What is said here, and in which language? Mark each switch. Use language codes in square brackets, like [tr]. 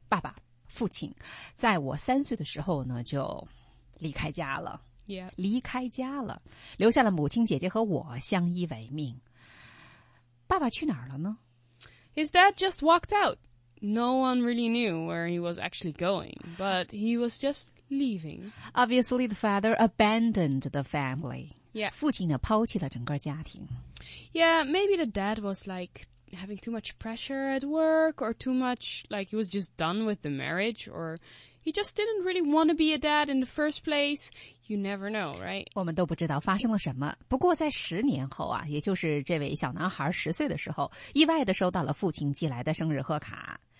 [zh] 爸爸，父亲，在我3岁的时候呢，就离开家了。 [en] Yeah. [zh] 离开家了，留下了母亲、姐姐和我相依为命。爸爸去哪儿了呢？ [en] His dad just walked out. No one really knew where he was actually going, but he was just leaving. Obviously, the father abandoned the family. Yeah. [zh] 父亲呢抛弃了整个家庭。 [en] Yeah, maybe the dad was like having too much pressure at work or too much like he was just done with the marriage or he just didn't really want to be a dad in the first place. You never know, right? [zh] 我们都不知道发生了什么。不过在10年后啊，也就是这位小男孩10岁的时候，意外地收到了父亲寄来的生日贺卡。